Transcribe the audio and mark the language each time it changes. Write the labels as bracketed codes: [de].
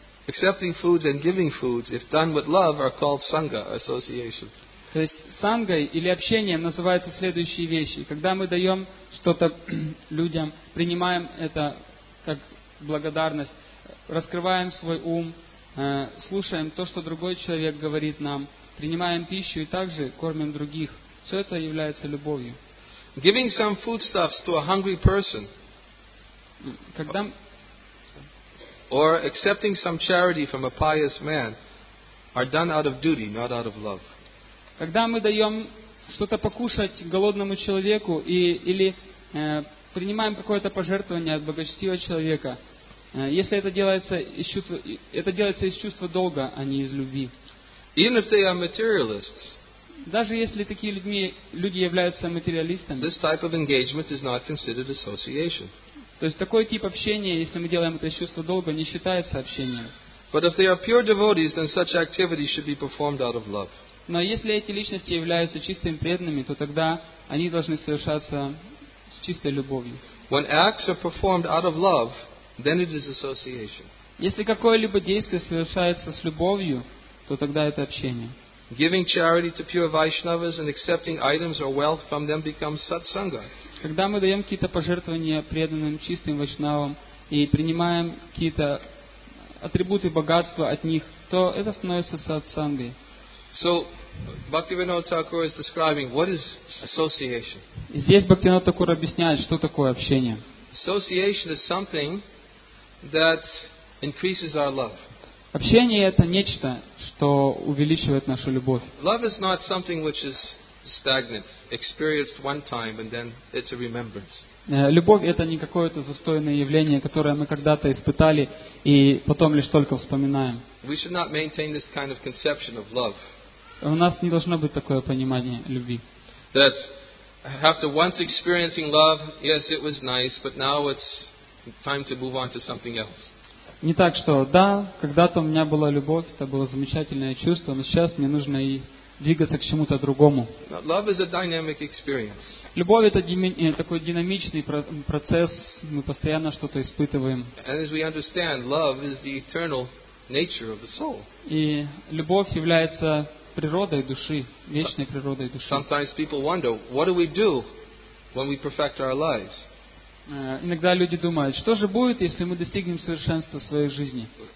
[en] Accepting foods and giving foods, if done with love, are called sangha, association. [ru] То есть сангой или общением называются следующие вещи. Когда мы даем что-то людям, принимаем это как благодарность, раскрываем свой ум, слушаем то, что другой человек говорит нам, принимаем пищу и также кормим других. Все это является любовью. [en] Giving some foodstuffs to a hungry person. [ru] Когда... [en] Or accepting some charity from a pious man are done out of duty, not out of love. [ru] Когда мы даем что-то покушать голодному человеку или принимаем какое-то пожертвование от благочестивого человека, если это делается из чувства, это делается из чувства долга, а не из любви. [en] Even if they are materialists, [ru] даже если такие люди являются материалистами, [en] this type of engagement is not considered association. [ru] То есть такой тип общения, если мы делаем это из чувства долга, не считается общением. [en] But if they are pure devotees, then such activity should be performed out of love. [ru] Но если эти личности являются чистыми преданными, то тогда они должны совершаться с чистой любовью. [en] When acts are performed out of love, then it is association. [ru] Если какое-либо действие совершается с любовью, то тогда это общение. [en] Giving charity to pure Vaishnavas and accepting items or wealth from them becomes satsanga. [ru] Когда мы даем какие-то пожертвования преданным чистым вайшнавам и принимаем какие-то атрибуты богатства от них, то это становится сатсангой. [en] So, Bhaktivinoda Thakur is describing what is association. [ru] Здесь Бхактивинода Такура объясняет, что такое общение. [en] Association is something that increases our love. [ru] Общение это нечто, что увеличивает нашу любовь. [en] Love is not something which is stagnant, experienced one time and then it's a remembrance. [ru] Любовь это не какое-то застойное явление, которое мы когда-то испытали и потом лишь только вспоминаем. [en] We should not maintain this kind of conception of love. [ru] У нас не должно быть такое понимание любви. [en] That after once experiencing love, yes, it was nice, but now it's time to move on to something else. [ru] Не так, что да, когда-то у меня была любовь, это было замечательное чувство, но сейчас мне нужно и двигаться к чему-то другому. [en] Love is a dynamic experience. [ru] Любовь это такой динамичный процесс, мы постоянно что-то испытываем. [en] And as we understand, love is the eternal nature of the soul. [ru] И любовь является природой души, вечной природой души. [en] Sometimes people wonder, what do we do when we perfect our lives? [ru] Иногда люди думают, что же будет, если мы достигнем совершенства в своей жизни?